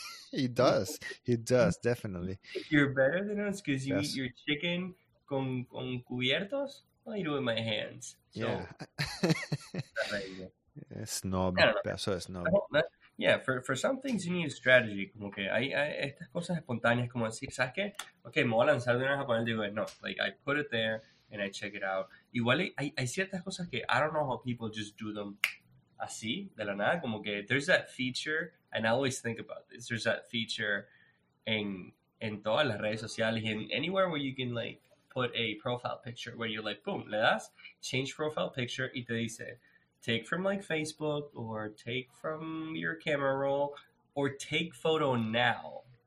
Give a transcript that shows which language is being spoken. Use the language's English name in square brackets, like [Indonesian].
[English] you. He does, definitely. You're better than us because you eat your chicken [Spanish] con cubiertos? [English] I do it with my hands. So, yeah. [Spanish] Snob. Pedazo de snob. [English] Yeah, for some things you need a strategy. [Spanish] Como que hay estas cosas espontáneas como decir, ¿sabes qué? Okay, me voy a lanzar de una vez a poner, digo, no. [English] Like, I put it there and I check it out. [Spanish] Igual hay ciertas cosas que [English] I don't know how people just do them [Spanish] así, de la nada. Como que [English] there's that feature... And I always think about this. There's that feature in [Spanish] todas las redes sociales, [English] in anywhere where you can like put a profile picture where you're like, boom, [Spanish] le das, [English] change profile picture, [Spanish] y te dice, [English] take from like Facebook or take from your camera roll or take photo now.